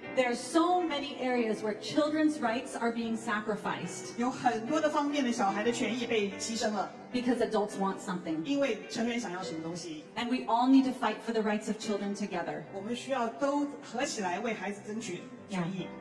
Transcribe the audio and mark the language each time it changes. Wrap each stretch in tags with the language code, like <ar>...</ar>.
<en>There are so many areas where children's rights are being sacrificed.</en> <zh>有很多的方面的小孩的权益被牺牲了。</zh> <en>Because adults want something.</en> <zh>因为成人想要什么东西。</zh> <en>And we all need to fight for the rights of children together.</en> <zh>我们需要都合起来为孩子争取权益。</zh>